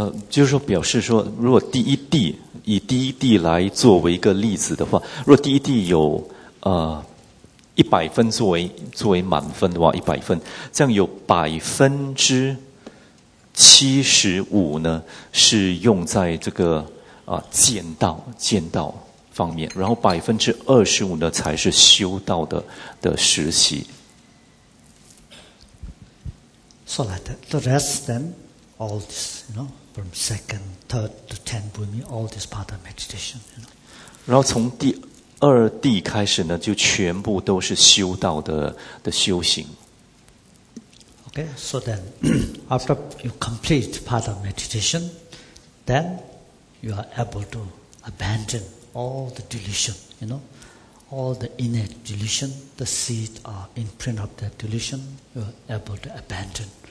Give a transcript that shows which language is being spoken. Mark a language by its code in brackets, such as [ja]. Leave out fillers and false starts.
[en] Just [zh] 表示说，如果第一地以第一地来作为一个例子的话，如果第一地有100分作为满分的话，100分，这样有75%呢是用在这个见道方面，然后25%呢才是修道的实习。 [en] So like that. The rest then, all this, you know, from second, third to 10 bhumi, all this part of meditation, you know. [zh] 然后从第二地开始呢，就全部都是修道的修行。 [en] Okay, so then, after you complete part of meditation, then you are able to abandon all the delusion, you know. All the innate delusion, the seed or imprint of that delusion, you are able to abandon.